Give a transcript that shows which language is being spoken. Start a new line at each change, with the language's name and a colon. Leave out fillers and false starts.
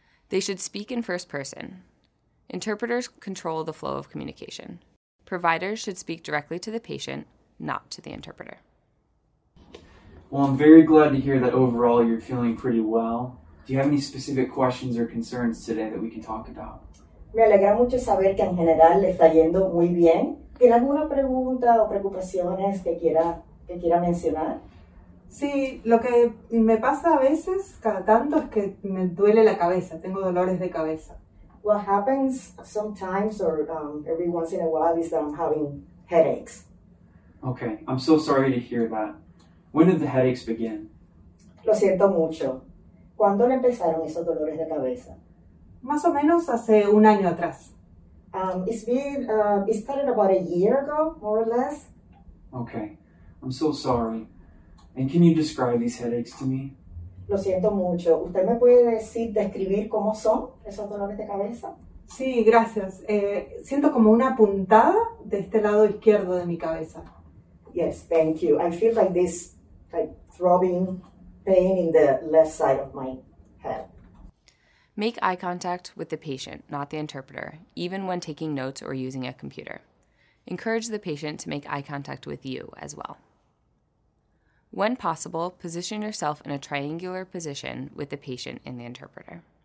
English: They should speak in first person. Interpreters control the flow of communication. Providers should speak directly to the patient, not to the interpreter. Well, I'm very glad to hear that overall you're feeling pretty well. Do you have any specific questions or concerns today that we can talk about?
Spanish: Me alegra mucho saber que en general le está yendo muy bien. ¿Tiene alguna pregunta o preocupaciones que quiera mencionar? Sí, lo que me pasa a veces, cada tanto, es que me duele la cabeza. Tengo dolores de cabeza.
English: What happens sometimes or every once in a while is that I'm having headaches. Okay, I'm so sorry to hear that. When did the headaches begin?
Spanish: Lo siento mucho. ¿Cuándo le empezaron esos dolores de cabeza? Más o menos hace un año atrás.
English: It started about a year ago, more or less. Okay, I'm so sorry. And can you describe these headaches to me?
Spanish: Lo siento mucho. ¿Usted me puede decir, describir cómo son esos dolores de cabeza? Sí, gracias. Siento como una puntada de este lado izquierdo de mi cabeza.
English: Yes, thank you. I feel like this throbbing pain in the left side of my head. Make eye contact with the patient, not the interpreter, even when taking notes or using a computer. Encourage the patient to make eye contact with you as well. When possible, position yourself in a triangular position with the patient and the interpreter.